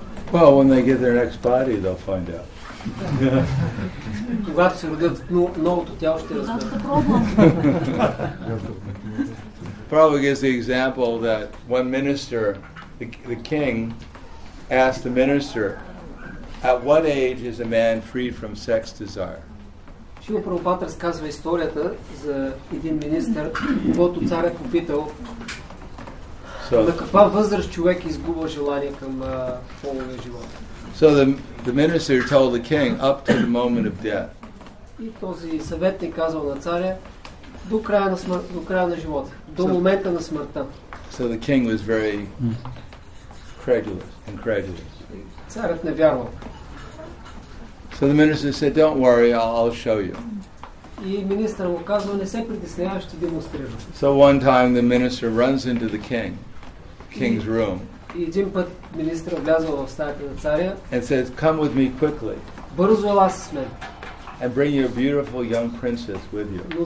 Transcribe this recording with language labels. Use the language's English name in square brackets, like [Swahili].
[English] Well, when they get their next body, they'll find out. [Bulgarian] Когато се родят новото тяло, ще разберем. [English] Probably gives the example that one minister, the king, asked the minister, at what age is a man free from sex desire? [Bulgarian] Шрила Прабхупада разказва историята за един министър, който царят попитал, на каква възраст човек изгубва желание към половия живот. [English] So the minister told the king up to the moment of death. [Bulgarian] И този съветник казал на царя до края на живота, до момента на смъртта. [English] So the king was very incredulous. [Bulgarian] Царят не вярвал. [English] So the minister said, "Don't worry, I'll show you." [Bulgarian] И министърът му казал, не се притеснявай, ще демонстрирам. [English] So one time the minister runs into the king. King's room. [Bulgarian] И един път министър влязъл в стаята на царя. [English] And says, "Come with me quickly." [Bulgarian] Бързо ела с мен. [English] and bring your beautiful young princess with you.